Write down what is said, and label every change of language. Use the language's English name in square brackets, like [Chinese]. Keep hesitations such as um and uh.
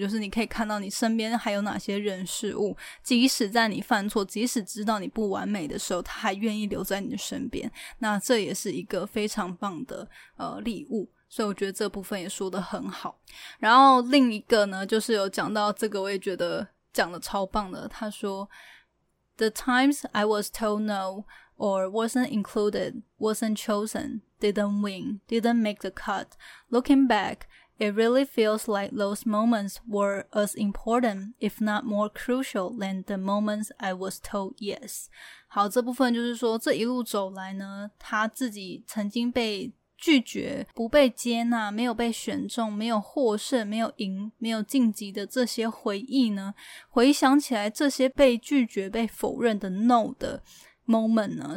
[Chinese] 就是你可以看到你身边还有哪些人事物，即使在你犯错，即使知道你不完美的时候，他还愿意留在你的身边。那这也是一个非常棒的呃礼物。所以我觉得这部分也说的很好。然后另一个呢，就是有讲到这个，我也觉得讲的超棒的。他说。 [English] the times I was told no or wasn't included, wasn't chosen, didn't win, didn't make the cut. Looking back, it really feels like those moments were as important, if not more crucial, than the moments I was told yes. [Chinese] 好，这部分就是说，这一路走来呢，他自己曾经被拒绝、不被接纳、没有被选中、没有获胜、没有赢、没有晋级的这些回忆呢？回想起来，这些被拒绝、被否认的 “no” 的 moment 呢？